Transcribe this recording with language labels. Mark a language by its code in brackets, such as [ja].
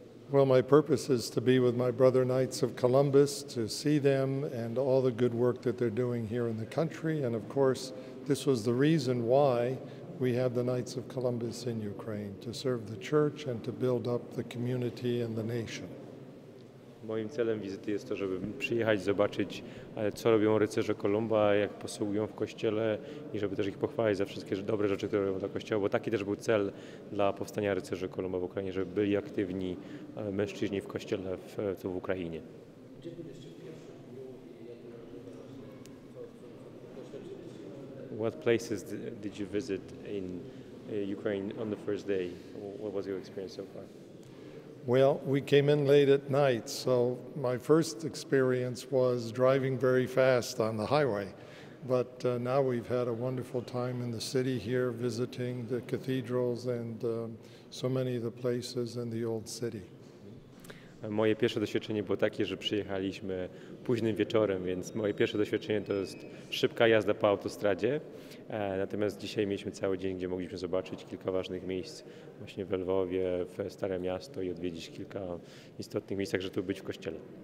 [en] Well, my purpose is to be with my brother Knights of Columbus, to see them and all the good work that they're doing here in the country. And of course, this was the reason why we have the Knights of Columbus in Ukraine, to serve the church and to build up the community and the nation. [pl] Moim celem wizyty jest to, żeby przyjechać, zobaczyć, co robią rycerze Kolumba, jak posługują w kościele i żeby też ich pochwalić za wszystkie dobre rzeczy, które robią dla kościoła, bo taki też był cel dla powstania rycerzy Kolumba w Ukrainie, żeby byli aktywni mężczyźni w kościele w Ukrainie. [en] What places did you visit in Ukraine on the first day? What was your experience so far? Well, we came in late at night, so my first experience was driving very fast on the highway. But now we've had a wonderful time in the city here, visiting the cathedrals and so many of the places in the old city. [pl] Moje pierwsze doświadczenie było takie, że przyjechaliśmy późnym wieczorem, więc moje pierwsze doświadczenie to jest szybka jazda po autostradzie. Natomiast dzisiaj mieliśmy cały dzień, gdzie mogliśmy zobaczyć kilka ważnych miejsc właśnie w Lwowie, w Stare Miasto i odwiedzić kilka istotnych miejsc, także tu być w kościele.